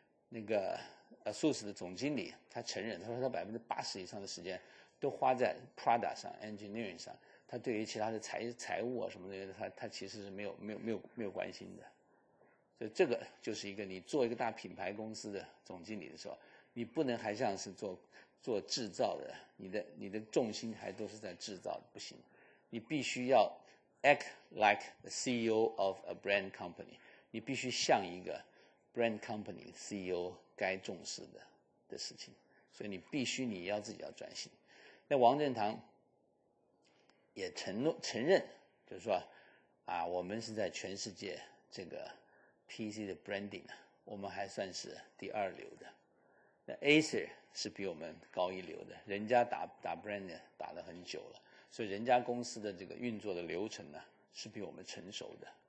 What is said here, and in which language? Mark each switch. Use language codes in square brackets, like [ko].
[zh] 那个 ASUS 的总经理他承认，他说他 80% 以上的时间都花在 product 上， engineering 上，他对于其他的财务啊什么的，他其实是没有关心的。所以这个就是一个，你做一个大品牌公司的总经理的时候，你不能还像是做制造的，你的重心还都是在制造，不行。你必须要 [en] act like the CEO of a brand company， [zh] 你必须像一个 brand company CEO 该重视的事情。所以你要自己要转型。那王振堂也承认，就是说啊，我们是在全世界这个 PC 的 branding， 我们还算是第二流的。那 Acer 是比我们高一流的，人家打 brand 打了很久了，所以人家公司的这个运作的流程呢是比我们成熟的。